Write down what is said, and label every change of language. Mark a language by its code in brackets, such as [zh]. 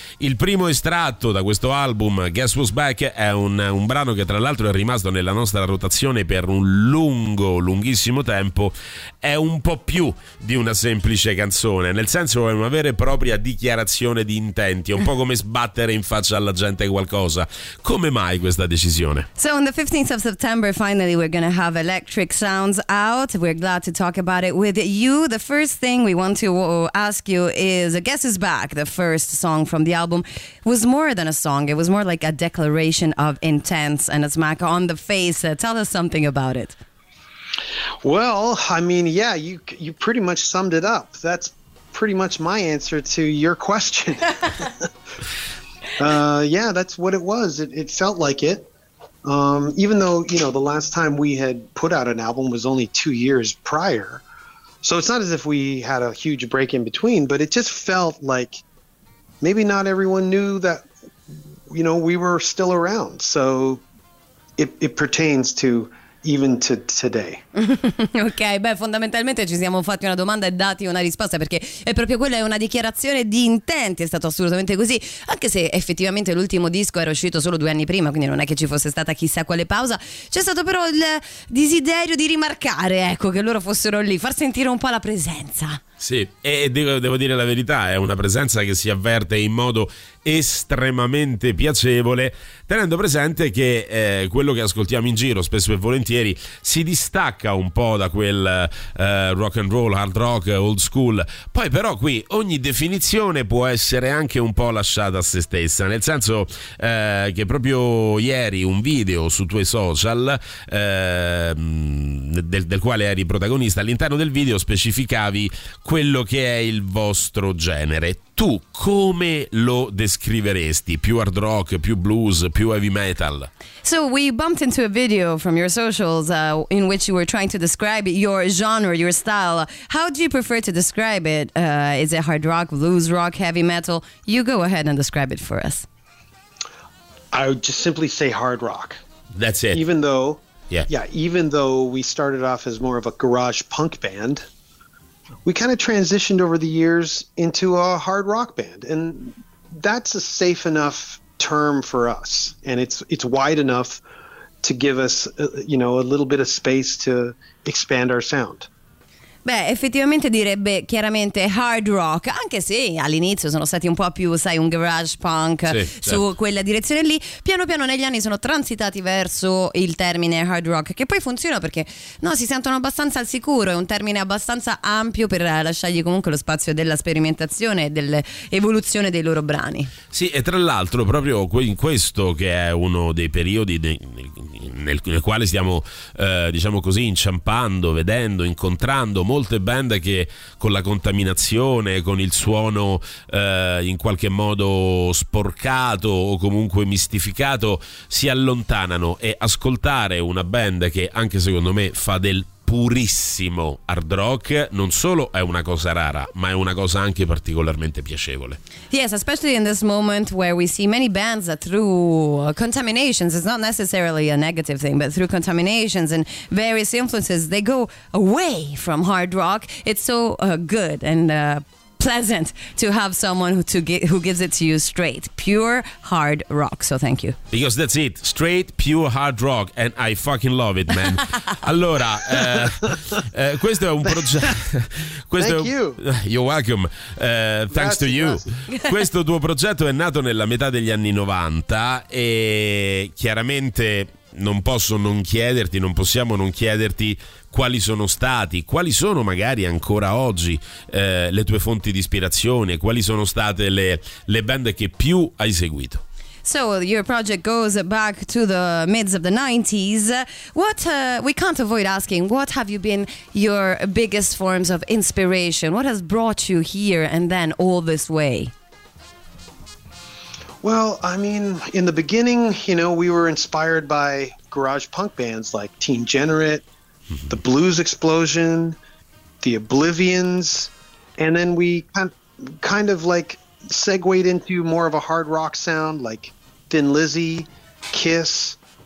[it] Il primo estratto da questo album, Guess Who's Back, è un brano che tra l'altro è rimasto nella nostra rotazione per un lunghissimo tempo. È un po' più di una semplice canzone, nel senso è una vera e propria dichiarazione di intenti, un po' come sbattere in faccia alla gente qualcosa. Come mai questa decisione? [en] So on the 15th of September finally we're gonna have Electric Sounds out. We're glad to talk about it with you. The first thing we want to ask you is Guess Who's Back, the first song from the album, was more than a song, it was more like a declaration of intents and a smack on the face. Tell us something about it. Well, I mean, yeah, you pretty much summed it up. That's pretty much my answer to your question. Yeah, that's what it was. It felt like it. Even though, you know, the last time we had put out an album was only 2 years prior. So it's not as if we had a huge break in between, but it just felt like maybe not everyone knew that, you know, we were still around. So it pertains to even to today. [it] Ok, beh, fondamentalmente ci siamo fatti una domanda e dati una risposta, perché è proprio quella, è una dichiarazione di intenti, è stato assolutamente così, anche se effettivamente l'ultimo disco era uscito solo 2 anni prima, quindi non è che ci fosse stata chissà quale pausa. C'è stato però il desiderio di rimarcare, ecco, che loro fossero lì, far sentire un po' la presenza. Sì, e devo dire la verità, è una presenza che si avverte in modo estremamente piacevole, tenendo presente che quello che ascoltiamo in giro spesso e volentieri si distacca un po' da quel rock and roll, hard rock, old school. Poi però qui ogni definizione può essere anche un po' lasciata a se stessa, nel senso che proprio ieri un video su tuoi social, del quale eri protagonista, all'interno del video specificavi quello che è il vostro genere. Tu come lo descriveresti? Più hard rock, più blues, più heavy metal? [en] So we bumped into a video from your socials in which you were trying to describe your genre, your style. How do you prefer to describe it? Is it hard rock, blues rock, heavy metal? You go ahead and describe it for us. I would just simply say hard rock. That's it. Even though, yeah, even though we started off as more of a garage punk band, we kind of transitioned over the years into a hard rock band, and that's a safe enough term for us, and it's wide enough to give us you know, a little bit of space to expand our sound. [it] Beh, effettivamente direbbe chiaramente hard rock, anche se all'inizio sono stati un po' più, sai, un garage punk, sì, su, certo, quella direzione lì. Piano piano negli anni sono transitati verso il termine hard rock, che poi funziona perché, no, si sentono abbastanza al sicuro, è un termine abbastanza ampio per lasciargli comunque lo spazio della sperimentazione e dell'evoluzione dei loro brani. Sì, e tra l'altro proprio in questo, che è uno dei periodi nel quale stiamo, diciamo così, inciampando, vedendo, incontrando molte band che con la contaminazione, con il suono in qualche modo sporcato o comunque mistificato, si allontanano, e ascoltare una band che anche secondo me fa del purissimo hard rock non solo è una cosa rara, ma è una cosa anche particolarmente piacevole. [en] Yes, especially in this moment where we see many bands that through contaminations, it's not necessarily a negative thing, but through contaminations and various influences, they go away from hard rock. It's so good and pleasant to have someone who gives it to you straight, pure hard rock. So thank you. Because that's it, straight pure hard rock, and I fucking love it, man. [it] Allora, questo è un progetto. [en] Thank you. You're welcome. Thanks [it] grazie, [en] to you. [it] Grazie. Questo tuo progetto è nato nella metà degli anni 90 e chiaramente non posso non chiederti, non possiamo non chiederti. Quali sono stati, quali sono magari ancora oggi le tue fonti di ispirazione, quali sono state le band che più hai seguito? [en] So your project goes back to the mids of the 90s. What we can't avoid asking, what have you been your biggest forms of inspiration? What has brought you here and then all this way? Well, I mean, in the beginning, you know, we were inspired by garage punk bands like Teen Generate, the Blues Explosion, the Oblivions, and then we kind of like segued into more of a hard rock sound like Thin Lizzy, Kiss.